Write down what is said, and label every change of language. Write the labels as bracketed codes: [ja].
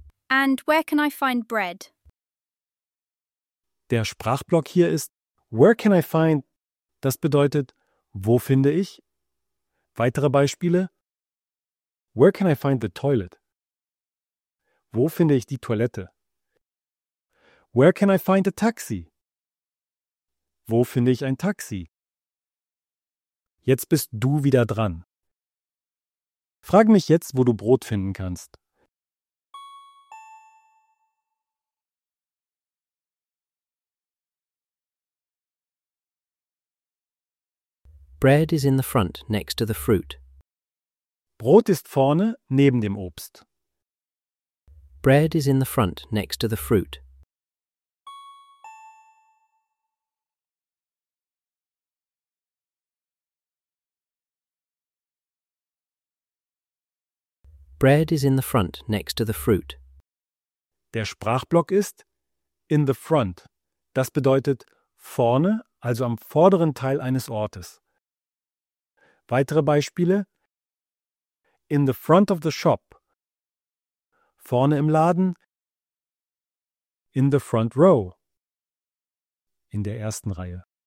[en] And where can I find bread? [de] Der Sprachblock hier ist [en] where can I find. [de] Das bedeutet, wo finde ich? Weitere Beispiele: [en] where can I find the toilet? [de] Wo finde ich die Toilette? [en] Where can I find a taxi? [de] Wo finde ich ein Taxi? Jetzt bist du wieder dran. Frag mich jetzt, wo du Brot finden kannst. [en] Bread is in the front next to the fruit. [de] Brot ist vorne neben dem Obst. [en] Bread is in the front next to the fruit. Bread is in the front next to the fruit. [de] Der Sprachblock ist [en] in the front. [de] Das bedeutet vorne, also am vorderen Teil eines Ortes. Weitere Beispiele: [en] in the front of the shop, [de] vorne im Laden, [en] in the front row, [de] in der ersten Reihe.